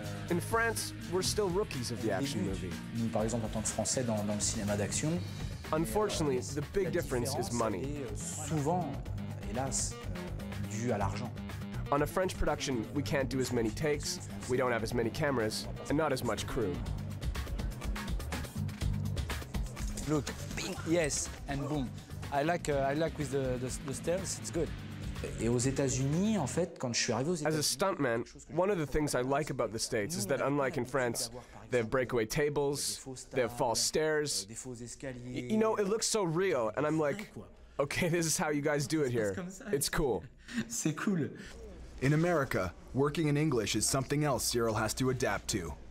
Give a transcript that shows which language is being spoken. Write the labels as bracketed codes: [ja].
[en] In France, we're still rookies of the action movie. [fr] Nous, par exemple, en tant que Français dans le cinéma d'action. [en] Unfortunately, the big difference is money. [fr] Souvent, hélas, dû à l'argent. [en] On a French production, we can't do as many takes, we don't have as many cameras, and not as much crew. Look, bing, yes, and boom. I like with the stairs, it's good. [fr] Et aux États-Unis, en fait, quand je suis arrivé aux États-Unis... [en] As a stuntman, one of the things I like about the States is that unlike in France, they have breakaway tables, they have false stairs. You know, it looks so real, and I'm like, okay, this is how you guys do it here. It's cool. [fr] C'est cool. [en] In America, working in English is something else Cyril has to adapt to.